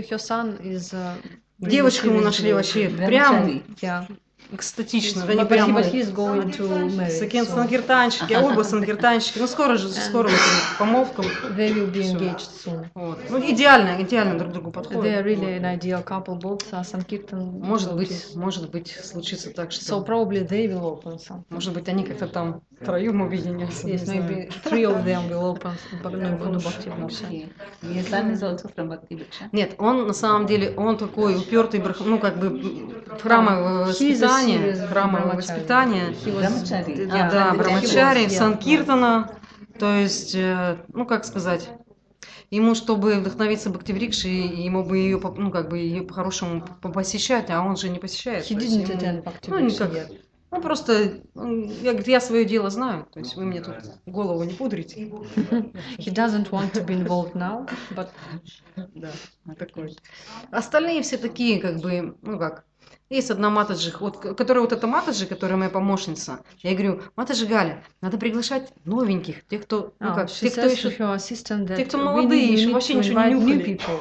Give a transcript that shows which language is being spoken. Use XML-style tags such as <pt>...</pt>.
<en>Her son is</en> <ru>Девочку мы нашли вообще прям. Экстатично, да не прямо.</ru> <en>But he is going to marry.</en> <ru>Сакен сангиртанщики, оба сангиртанщики. Ну скоро вот они помолвка.</ru> <en>They will be engaged soon.</en> <ru>Вот. Ну идеально друг другу подходят.</ru> <en>They are really an ideal couple, both are sankirtan.</en> <ru>Может быть, случится так, что...</ru> <en>So probably they will open something.</en> <ru>Может быть, они как-то там втроем объединятся.</ru> <en>Yes, maybe three of them will open Bhakti Bhiksha.</en> <ru>Нет, он на самом деле, он такой упертый, ну как бы в храмовый храмовое воспитание, брамачари, санкиртана, то есть, ну как сказать, ему чтобы вдохновиться Бхактиврикши, ему бы ее, ну как бы ее по-хорошему посещать, а он же не посещает.</ru> <en>He didn't attend Bhakti Viksha</en> <ru>ну,</ru> <en>yet.</en> <ru>Ну, просто я говорю, я свое дело знаю, то есть вы мне тут голову не пудрите.</ru> <en>He doesn't want to be involved now, but...</en> <ru>Да, такой. Остальные все такие, как бы, ну как, есть одна Матаджи, вот, которая вот эта Матаджи, которая моя помощница, я говорю, Матаджи Галя, надо приглашать новеньких, тех, кто, ну как, тех, кто еще, тех, кто молодые, еще вообще ничего не нюхали.</ru>